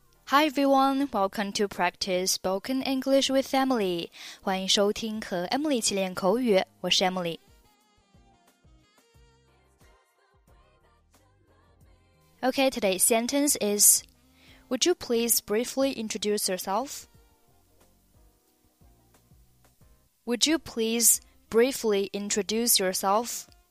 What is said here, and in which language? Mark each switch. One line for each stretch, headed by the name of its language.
English: Hi everyone, welcome to Practice Spoken English with Emily.
Chinese: 欢迎收听和 Emily 一起练口语，我是 Emily。
English: Okay, today's sentence is, Would you please briefly introduce yourself? Would you please briefly introduce yourself?